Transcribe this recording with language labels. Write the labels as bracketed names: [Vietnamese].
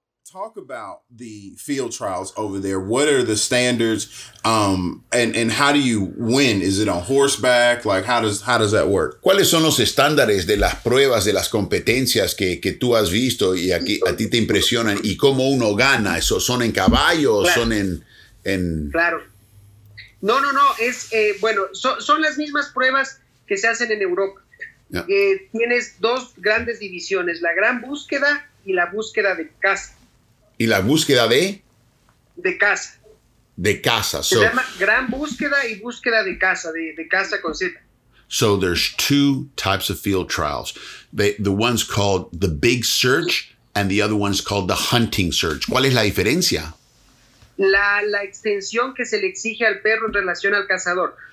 [English] Talk about the field trials over there. What are the standards, and how do you win? Is it on horseback? Like, how does that work? [Spanish] ¿Cuáles son los estándares de las pruebas, de las competencias que tú has visto y aquí a ti te impresionan? ¿Y cómo uno gana? ¿Eso son en caballo o son en...? Claro. No. Es, bueno, son las mismas pruebas que se hacen en Europa. [English] Yeah. [Spanish] Tienes dos grandes divisiones, la gran búsqueda y la búsqueda de caza. ¿Y la búsqueda de? De caza. De caza. Se llama gran búsqueda y búsqueda de caza, de caza con Z. [English] So there's two types of field trials. The one's called the big search and the other one's called the hunting search. [Spanish] ¿Cuál es la diferencia? La extensión que se le exige al perro en relación al cazador.